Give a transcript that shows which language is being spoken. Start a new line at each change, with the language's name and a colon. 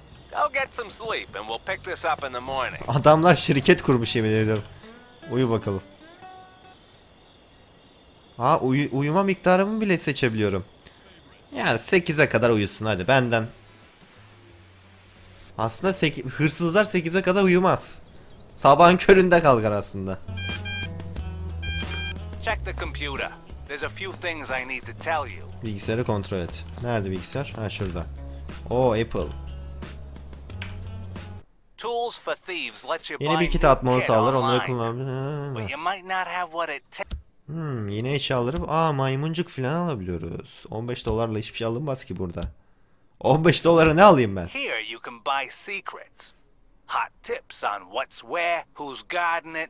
English: Go get some sleep and we'll pick this up in the morning.
Turkish: Adamlar şirket kurmuş yemin ediyorum. Uyu bakalım. Aa, uyuma miktarımı bile seçebiliyorum. Yani 8'e kadar uyusun hadi benden. Aslında hırsızlar 8'e kadar uyumaz. Sabahın köründe kalkar aslında.
English: Check the computer. There's a few things I need to tell you.
Turkish: Bilgisayarı kontrol et. Nerede bilgisayar? Ha şurada. Oo, Apple.
English: Tools for thieves let you buy.
Turkish: Yeni bir kit atmanı sağlar, onları kullanabilir. Yine eşya alırım. Aa, maymuncuk falan alabiliyoruz. 15 dolarla hiçbir şey alınmaz ki burada. 15 dolara ne alayım ben?
English: Here you can buy secrets. Hot tips on what's where, who's guarding it.